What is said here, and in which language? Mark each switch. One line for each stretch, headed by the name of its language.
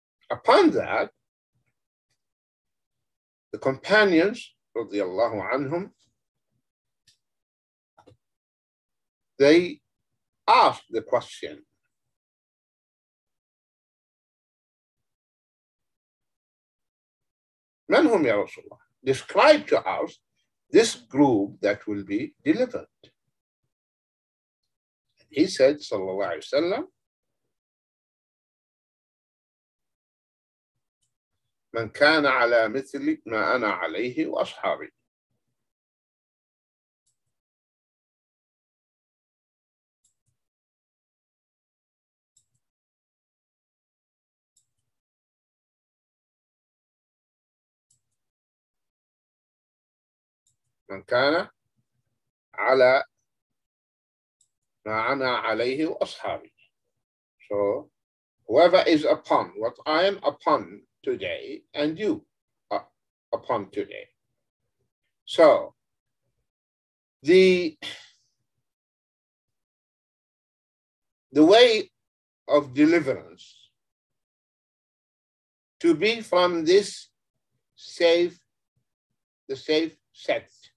English: Upon that, the companions, radiallahu anhum, they asked the question,
Arabic: من هم يا رسول الله?
English: Describe to us this group that will be delivered. And he said,
Arabic: sallallahu alayhi wa sallam, من كان على مثل ما أنا عليه وأصحابي. من كان على ما أنا عليه وأصحابي.
English: So whoever is upon what I am upon today, and you are upon today. So, the way of deliverance to be from this safe, the safe sect.